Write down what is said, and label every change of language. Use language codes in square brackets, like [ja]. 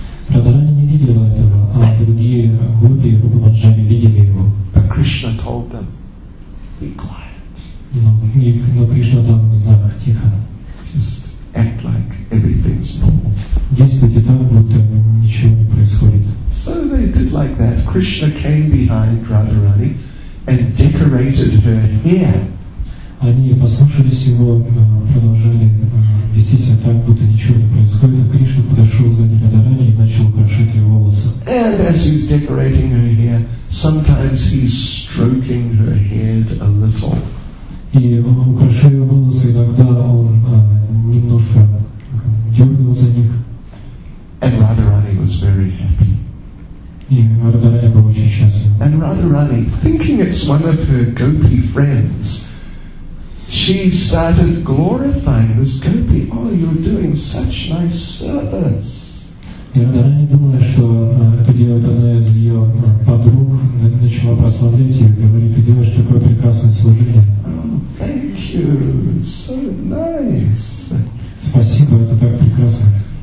[ru] Radharani не видела этого, а другие гопи Рупа Манджари видели его. [en] But Krishna told them, be quiet. [ru] Но Кришна дал им знак, тихо. [en] Just act like everything's normal. [ru] Действуйте так, будто ничего не происходит. [en] So they did like that. Krishna came behind Radharani and decorated her hair. [ru] Они послушались его, продолжали вести себя так, будто ничего не происходит. А Кришна подошел сзади Радхарани и начал украшать ее волосы. [en] And as he's decorating her hair, sometimes he's stroking her head a little. [ru] И он украшал ее волосы, иногда он немножко дергал за них. [en] And Radharani was very happy. And Radharani, thinking it's one of her gopi friends, she started glorifying this gopi. Oh, you're doing such nice service. [ru] И Радхарани думала, что это делает одна из ее подруг, начала прославлять ее, говорит, ты делаешь такое прекрасное служение. [en] Oh, thank you, it's so nice. [ru] Спасибо, это так прекрасно.